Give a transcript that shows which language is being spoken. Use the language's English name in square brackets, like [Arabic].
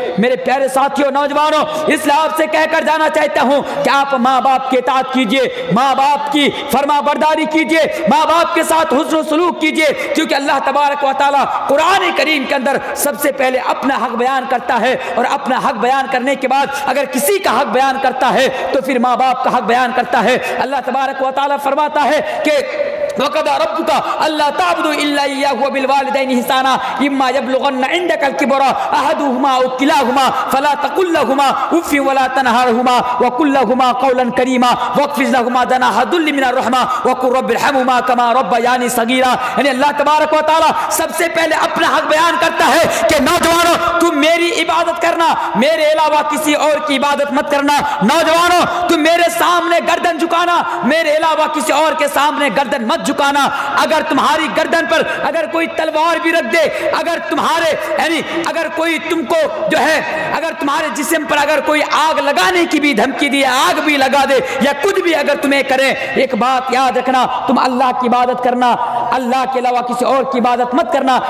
[Urdu] میرے پیارے ساتھیوں نوجوانوں، اس لیے آپ سے کہہ کر جانا چاہتا ہوں کہ آپ ماں باپ کی اطاعت کیجئے، ماں باپ کی فرما برداری کیجئے، ماں باپ کے ساتھ حسن سلوک کیجئے، کیونکہ اللہ تبارک و تعالی قرآن کریم کے اندر سب سے پہلے اپنا حق بیان کرتا ہے، اور اپنا حق بیان کرنے کے بعد اگر کسی کا حق بیان کرتا ہے تو پھر ماں باپ کا حق بیان کرتا ہے۔ اللہ تبارک و تعالی فرماتا ہے کہ [Arabic] وقد ربك الا تعبدوا الا اياه وبالوالدين احسانا اما يبلغن عندك الكبر احدهما او كلاهما فلا تقل لهما اف ولا تنهرهما وقل لهما قولا كريما واقفز لهما جناح الذل من الرحمه وقل رب ارحمهما كما ربياني صغيرا. [Urdu] یعنی اللہ تبارک و تعالی سب سے پہلے اپنا حق بیان کرتا ہے کہ نوجوانوں تم میری عبادت کرنا, میرے علاوہ کسی اور کی عبادت مت کرنا. نوجوانوں تم میرے سامنے گردن جھکانا, میرے علاوہ کسی اور کے سامنے گردن مت جھکانا. اگر تمہاری گردن پر اگر کوئی تلوار بھی رکھ دے, اگر تمہارے یعنی اگر کوئی تم کو جو ہے اگر تمہارے جسم پر اگر کوئی آگ لگانے کی بھی دھمکی دی, آگ بھی لگا دے یا کچھ بھی اگر تمہیں کرے, ایک بات یاد رکھنا, تم اللہ کی عبادت کرنا, اللہ کے علاوہ کسی اور کی عبادت مت کرنا.